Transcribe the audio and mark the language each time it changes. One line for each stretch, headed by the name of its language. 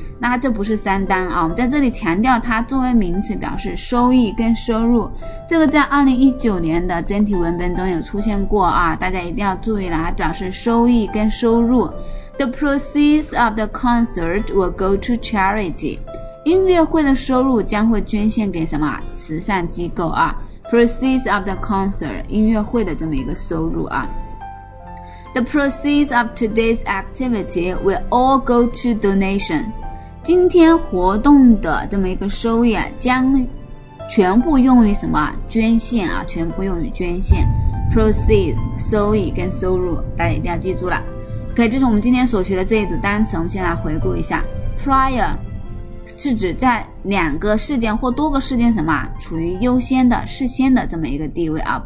Chinese: 那它就不是三单啊，我们在这里强调它作为名词表示收益跟收入，这个在2019年的整体文本中有出现过啊，大家一定要注意了，它表示收益跟收入。
English: The proceeds of the concert will go to charity，
Chinese: 音乐会的收入将会捐献给什么慈善机构啊。
English: proceeds of the concert，
Chinese: 音乐会的这么一个收入啊。
English: The proceeds of today's activity will all go to donation，
Chinese: 今天活动的这么一个收益啊，将全部用于什么？捐献啊，全部用于捐献。 Proceeds 收益跟收入，大家一定要记住了。 OK， 这是我们今天所学的这一组单词，我们先来回顾一下。Prior 是指在两个事件或多个事件什么处于优先的、事先的这么一个地位啊。